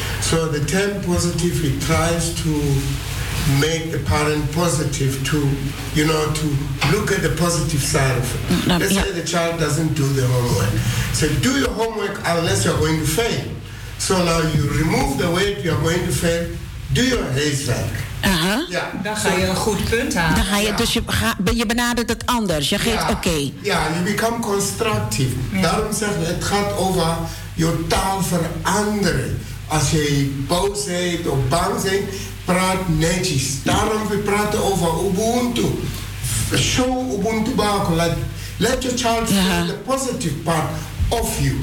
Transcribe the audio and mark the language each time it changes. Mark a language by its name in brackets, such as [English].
[English] So the term positive, it tries to make the parent positive to, you know, to look at the positive side of it. Let's say the child doesn't do the homework. So do your homework unless you're going to fail. So now you remove the weight, you're going to fail. Do your haystack. Uh-huh. [Dutch] Ja. Dan ga je een goed punt aan. Dus je benadert het anders. Je geeft oké. Ja, je become constructief. Ja. Daarom zeg ik, het gaat over je taal veranderen. Als je boos bent of bang bent, praat netjes. Daarom we praten over Ubuntu. [English] Show Ubuntu back. Let your child see the positive part of you.